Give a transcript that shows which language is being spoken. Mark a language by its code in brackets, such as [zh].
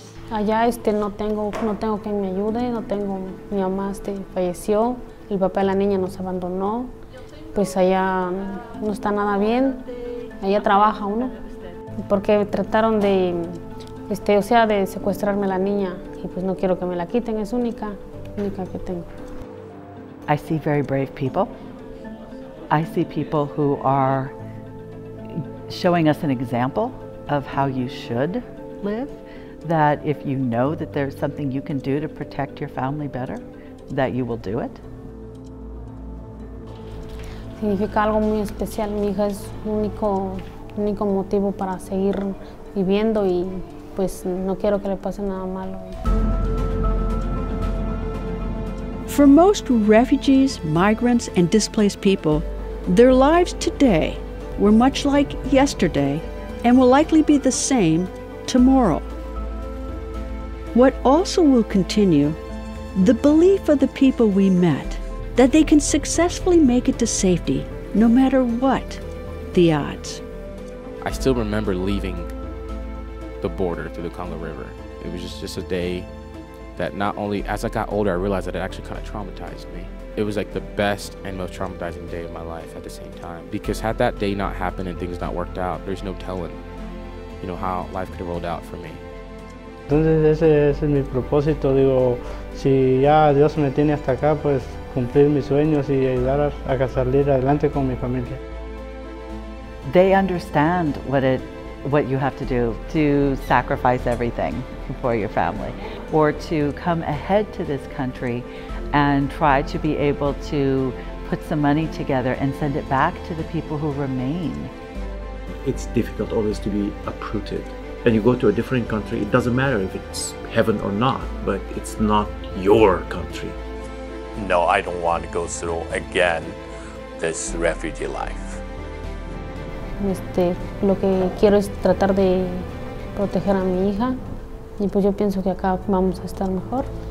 [es] Allá no tengo quien me ayude, no tengo mi mamá, falleció, el papá de la niña nos abandonó. Pues allá no está nada bien. Allá trabaja uno. Porque trataron de de secuestrarme la niña y pues no quiero que me la quiten, es única que tengo. [en] I see very brave people. I see people who are showing us an example of how you should live. That if you know that there's something you can do to protect your family better, that you will do it. [es] Significa algo muy especial. Mi hija es único motivo para seguir viviendo y pues no quiero que le pase nada malo. [en] For most refugees, migrants, and displaced people, their lives today were much like yesterday and will likely be the same tomorrow. What also will continue, the belief of the people we met, that they can successfully make it to safety, no matter what the odds. I still remember leaving the border through the Congo River. It was just a day that not only, as I got older, I realized that it actually kind of traumatized me. It was like the best and most traumatizing day of my life at the same time. Because had that day not happened and things not worked out, there's no telling, you know, how life could have rolled out for me. [es] Entonces ese es mi propósito, digo, si ya Dios me tiene hasta acá, pues cumplir mis sueños y ayudar a salir adelante con mi familia. [en] They understand what you have to do to sacrifice everything for your family, or to come ahead to this country and try to be able to put some money together and send it back to the people who remain. It's difficult always to be uprooted. And you go to a different country, it doesn't matter if it's heaven or not, but it's not your country. No, I don't want to go through again this refugee life. [es] Lo que quiero es tratar de proteger a mi hija, y pues yo pienso que acá vamos a estar mejor.